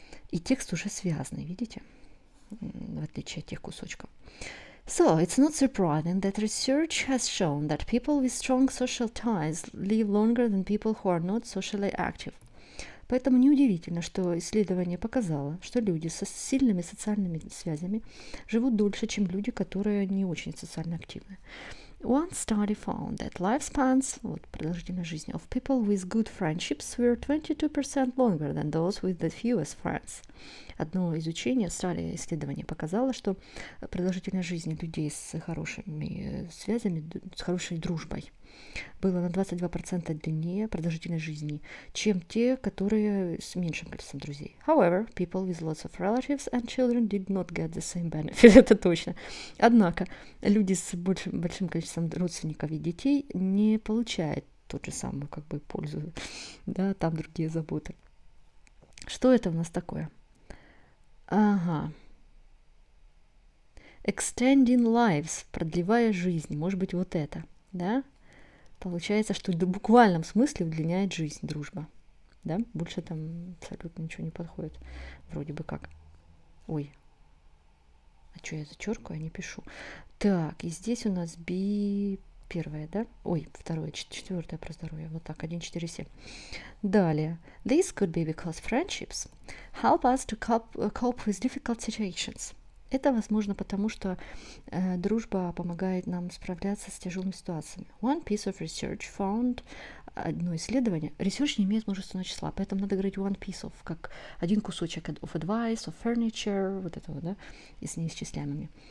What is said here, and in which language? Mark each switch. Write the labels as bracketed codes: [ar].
[ru] И текст уже связанный, видите, в отличие от тех кусочков. [en] So, it's not surprising that research has shown that people with strong social ties live longer than people who are not socially active. [ru] Поэтому неудивительно, что исследование показало, что люди со сильными социальными связями живут дольше, чем люди, которые не очень социально активны. [en] One study found that lifespans, [ru] вот продолжительность жизни, [en] of people with good friendships were 22% longer than those with the fewest friends. [ru] Одно изучение, старое исследование показало, что продолжительность жизни людей с хорошими связями, с хорошей дружбой, было на 22% длиннее продолжительность жизни, чем те, которые с меньшим количеством друзей. [en] However, people with lots of relatives and children did not get the same benefit. [ru] Это точно. Однако, люди с большим количеством родственников и детей не получают ту же самую как бы пользу. Да, там другие заботы. Что это у нас такое? Ага. Extending lives, продлевая жизнь. Может быть, вот это, да? Получается, что в буквальном смысле удлиняет жизнь, дружба. Да? Больше там абсолютно ничего не подходит. Вроде бы как. Ой. А что я зачеркиваю, я не пишу. Так, и здесь у нас би первое, да? Ой, второе, четвертое про здоровье. Вот так, 1, 4, 7. Далее. [en] This could be because friendships help us to cope with difficult situations. [ru] Это возможно потому, что дружба помогает нам справляться с тяжелыми ситуациями. [en] One piece of research found, [ru] одно исследование. Research не имеет множественного числа, поэтому надо говорить [en] one piece of, [ru] как один кусочек [en] of advice, of furniture, [ru] вот этого, да, и с неисчисляемыми.